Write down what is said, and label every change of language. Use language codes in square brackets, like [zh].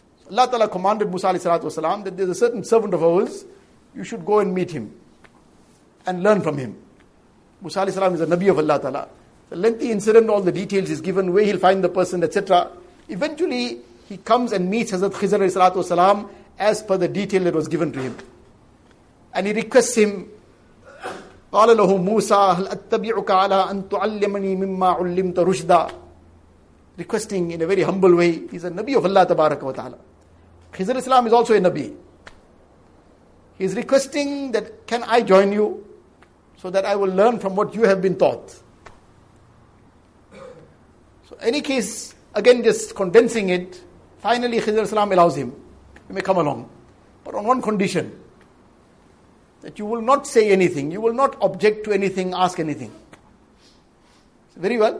[en] Allah Ta'ala commanded Musa alayhi salatu wasalam that there's a certain servant of ours, you should go and meet him and learn from him. Musa alayhi salam is a Nabi of Allah Ta'ala. The lengthy incident, all the details is given, where he'll find the person, etc. Eventually, he comes and meets Hazrat Khizr alayhi salatu wasalam as per the detail that was given to him. And he requests him, [ar] قال له موسى هل أتبعك على أن تعلمني مما علمت رشدا, [en] requesting in a very humble way. He's a Nabi of Allah Tabarak wa Ta'ala. Khizr Islam is also a Nabi. He's requesting that, can I join you so that I will learn from what you have been taught? So any case, again just condensing it, finally Khizr Islam allows him, you may come along, but on one condition, that you will not say anything, you will not object to anything, ask anything. So very well.